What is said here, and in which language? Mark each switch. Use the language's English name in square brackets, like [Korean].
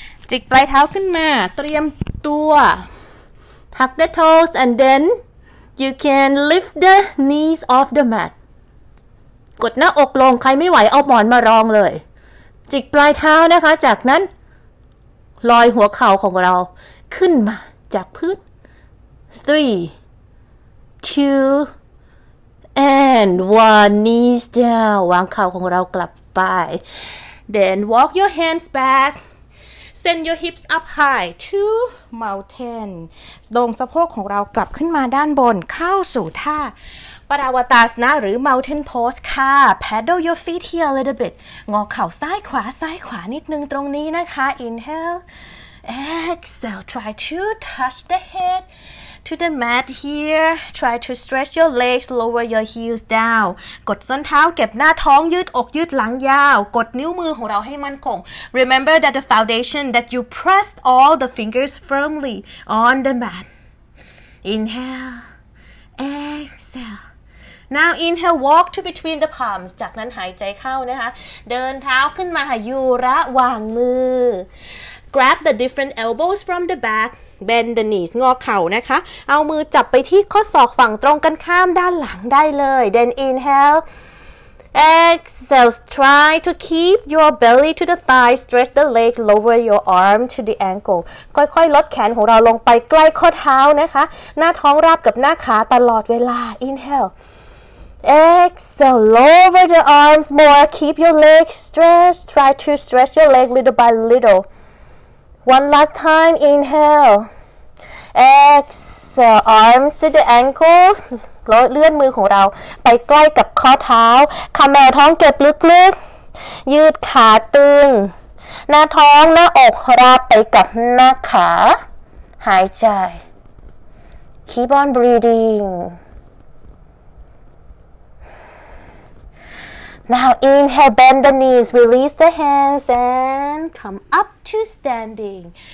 [Thai] จิกปลายเท้าขึ้นมาเตรียมตัว tuck the toes and then you can lift the knees off the mat กดหน้าอกลงใครไม่ไหวเอาหมอนมารองเลยจิกปลายเท้านะคะจากนั้นลอยหัวเข่าของเราขึ้นมาจากพื้น 3 2 and 1 knees down วางเข่าของเรากลับไป [English] then walk your hands back send your hips up high to mountain [Thai] ลงสะโพกของเรากลับขึ้นมาด้านบนเข้าสู่ท่าปาราวาตาสนะหรือ Mountain Pose ค่ะ Paddle your feet here a little bit งอเข่าซ้ายขวาซ้ายขวานิดนึงตรงนี้นะคะ Inhale [English] Exhale Try to touch the head to the mat here Try to stretch your legs lower your heels down กดส้นเท้าเก็บหน้าท้องยืดอกยืดหลังยาวกดนิ้วมือของเราให้มั่นคง Remember that the foundation that you pressed all the fingers firmly on the mat Inhale Exhale. Now inhale, walk to between the palms. [Thai] จากนั้นหายใจเข้านะคะเดินเท้าขึ้นมาค่ะอยู่ระหว่างมือ Grab the different elbows from the back. Bend the knees. งอเข่านะคะเอามือจับไปที่ข้อศอกฝั่งตรงกันข้ามด้านหลังได้เลย Then inhale. [English] Exhale. Try to keep your belly to the thigh. Stretch the leg. Lower your arm to the ankle. [Thai] ค่อยๆลดแขนของเราลงไปใกล้ข้อเท้านะคะหน้าท้องราบกับหน้าขาตลอดเวลา Inhale. [English] Exhale, lower the arms more, keep your legs stretched, try to stretch your leg little by little. One last time, inhale. Exhale, arms to the ankles, เลื่อนมือของเราไปใกล้กับข้อเท้าขมับท้องเก็บลึกๆยืดขาตึงหน้าท้องหน้าอกราบไปกับหน้าขาหายใจ Keep on breathingNow inhale, bend the knees, release the hands, and come up to standing.